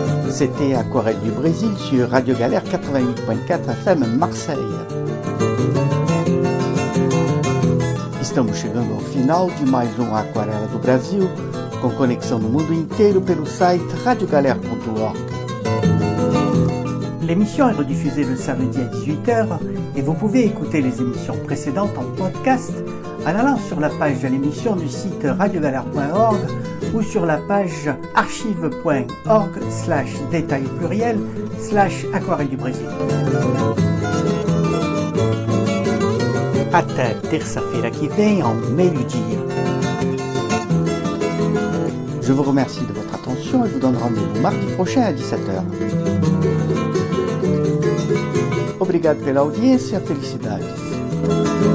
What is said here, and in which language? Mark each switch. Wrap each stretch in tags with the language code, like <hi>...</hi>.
<fr>C'était Aquarelle du Brésil sur Radio Galère 88.4 FM Marseille.</fr> <pt>Estamos chegando ao final de mais um Aquarela do Brasil, com conexão no mundo inteiro pelo site radiogalère.org.</pt> <fr>L'émission est rediffusée le samedi à 18h et vous pouvez écouter les émissions précédentes en podcast en allant sur la page de l'émission du site radiogalère.org ou sur la page archive.org/détail/aquarelle du Brésil.</fr> <pt>Até terça-feira que vem en meio-dia.</pt> <fr>Je vous remercie de votre attention et vous donne rendez-vous mardi prochain à 17h.</fr> <pt>Obrigado pela audiência e felicidades.</pt>